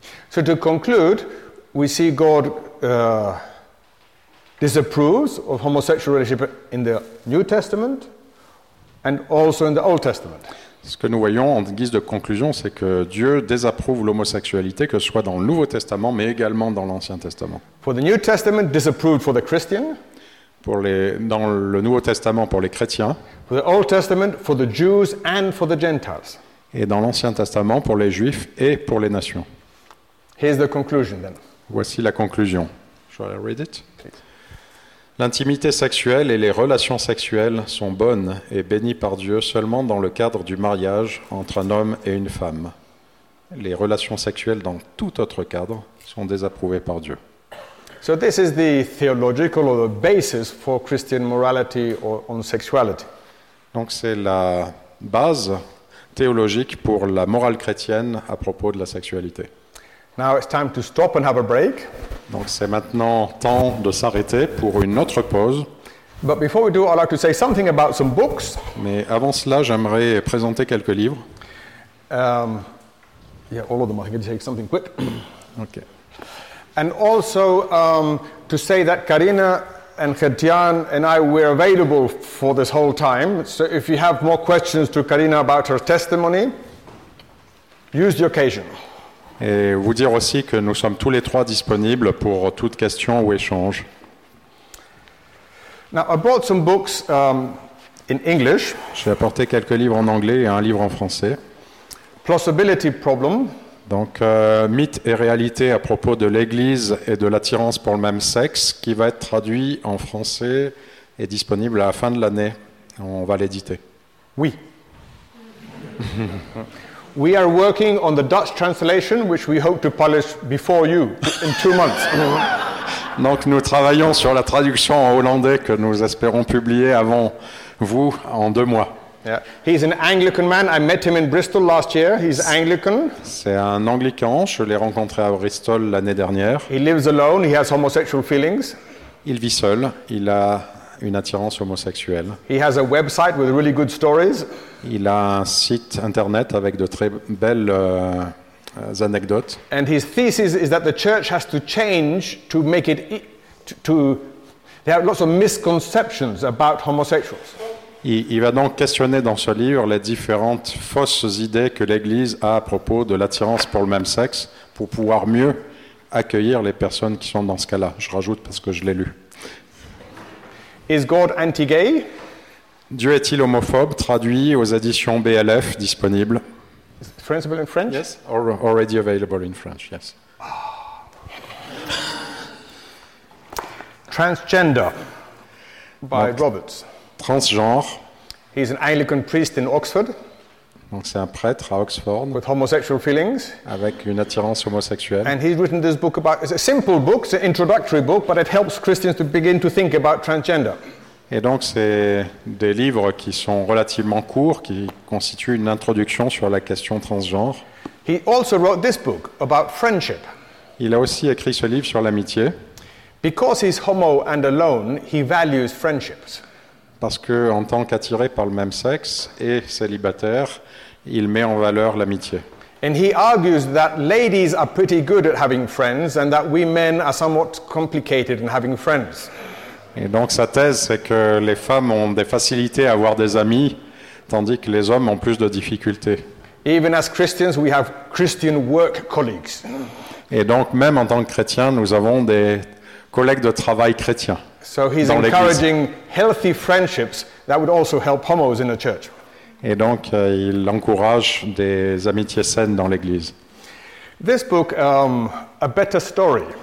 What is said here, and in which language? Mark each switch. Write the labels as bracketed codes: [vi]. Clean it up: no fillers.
[en] So to conclude, we see God disapproves of homosexual relationship in the New Testament and also in the Old Testament. [fr] Ce que nous voyons en guise de conclusion, c'est que Dieu désapprouve l'homosexualité, que ce soit dans le Nouveau Testament, mais également dans l'Ancien Testament. [en] For the New Testament, disapproved for the Christian. [fr] Dans le Nouveau Testament, pour les chrétiens. [en] For the Old Testament, for the Jews and for the Gentiles. [fr] Et dans l'Ancien Testament, pour les Juifs et pour les nations. [en] Here's the conclusion then. [fr] Voici la conclusion. [en] Shall I read it? Please. [fr] L'intimité sexuelle et les relations sexuelles sont bonnes et bénies par Dieu seulement dans le cadre du mariage entre un homme et une femme. Les relations sexuelles dans tout autre cadre sont désapprouvées par Dieu. [en] So this is the theological or the basis for Christian morality or on sexuality. [fr] Donc c'est la base théologique pour la morale chrétienne à propos de la sexualité. [en] Now it's time to stop and have a break. [fr] Donc c'est maintenant temps de s'arrêter pour une autre pause. [en] But before we do, I'd like to say something about some books. [fr] Mais avant cela, j'aimerais présenter quelques livres. [en] All of them. I think I can say something quick. Okay. And also to say that Karina and Gert-Jan and I were available for this whole time. So if you have more questions to Karina about her testimony, use the occasion. [fr] Et vous dire aussi que nous sommes tous les trois disponibles pour toute question ou échange. [en] Now, I brought some books in English. [fr] J'ai apporté quelques livres en anglais et un livre en français. [en] Plausibility problem. [fr] Donc, mythe et réalité à propos de l'Église et de l'attirance pour le même sexe, qui va être traduit en français et disponible à la fin de l'année. On va l'éditer. Oui. [en] We are working on the Dutch translation, which we hope to publish before you in 2 months. [fr] Donc, nous travaillons sur la traduction en hollandais que nous espérons publier avant vous en 2 mois. [en] Yeah. He's an Anglican man. I met him in Bristol last year. He's Anglican. [fr] C'est un Anglican. Je l'ai rencontré à Bristol l'année dernière. [en] He lives alone. He has homosexual feelings. [fr] Il vit seul. Il a une attirance homosexuelle. [en] He has a website with really good stories. [fr] Il a un site internet avec de très belles anecdotes. [en] And his thesis is that the church has to change to make it to there are lots of misconceptions about homosexuals. [fr] Il va donc questionner dans ce livre les différentes fausses idées que l'Église a à propos de l'attirance pour le même sexe pour pouvoir mieux accueillir les personnes qui sont dans ce cas-là. Je rajoute parce que je l'ai lu. [en] Is God anti-gay? [fr] Dieu est-il homophobe? Traduit aux éditions BLF, disponible. [en] Is it translated in French? Yes, already available in French, yes. Transgender, by Roberts. [fr] Transgenre. [en] He's an Anglican priest in Oxford. [fr] Donc c'est un prêtre à Oxford. [en] With homosexual feelings. [fr] Avec une attirance homosexuelle. [en] And he's written this book about, it's a simple book, it's an introductory book, but it helps Christians to begin to think about transgender. [fr] Et donc c'est des livres qui sont relativement courts, qui constituent une introduction sur la question transgenre. [en] He also wrote this book about friendship. [fr] Il a aussi écrit ce livre sur l'amitié. [en] Because he's homo and alone, he values friendships. [fr] Parce que en tant qu'attiré par le même sexe et célibataire, il met en valeur l'amitié. [en] And he argues that ladies are pretty good at having friends and that we men are somewhat complicated in having friends. [fr] Et donc sa thèse, c'est que les femmes ont des facilités à avoir des amis, tandis que les hommes ont plus de difficultés. [en] Even as Christians, we have Christian work colleagues. [fr] Et donc même en tant que chrétiens, nous avons des collègues de travail chrétiens. [en] So he's encouraging healthy friendships that would also help homos in a church. [fr] Et donc, il encourage des amitiés saines dans l'Église. [en] This book, A Better Story.